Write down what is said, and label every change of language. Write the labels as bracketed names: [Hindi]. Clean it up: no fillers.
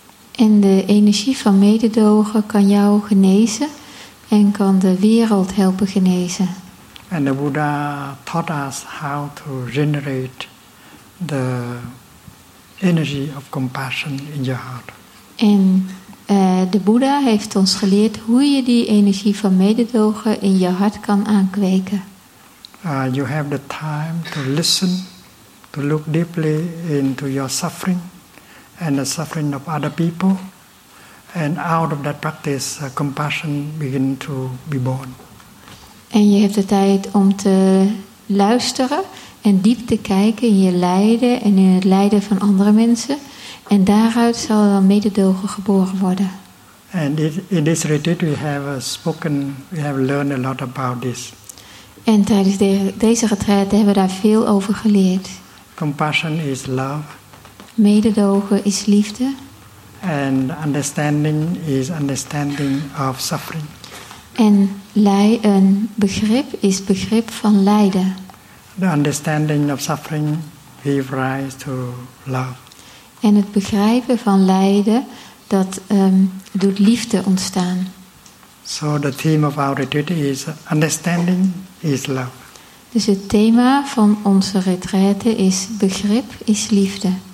[Dutch] En de energie van mededogen kan jou genezen en kan de wereld helpen genezen. [English] And the Buddha taught us how to generate the energy of compassion in your heart. [Dutch] En de Boeddha heeft ons geleerd hoe je die energie van mededogen in je hart kan aankweken. [English] You have the time to listen, to look deeply into your suffering and the suffering of other people. And out of that practice, compassion begins to be born. [Dutch] En je hebt de tijd om te luisteren en diep te kijken in je lijden en in het lijden van andere mensen. En daaruit zal dan mededogen geboren worden. [English] And in this retreat we have spoken, we have learned a lot about this. [Dutch] En tijdens deze retraite hebben we daar veel over geleerd. [English] Compassion is love. [Dutch] Mededogen is liefde. [English] And understanding is understanding of suffering. [Dutch] En een begrip is begrip van lijden. [English] The understanding of suffering gives rise to love. [Dutch] En het begrijpen van lijden, dat doet liefde ontstaan. [English] So the theme of our retreat is understanding is love. [Dutch] Dus het thema van onze retraite is begrip is liefde.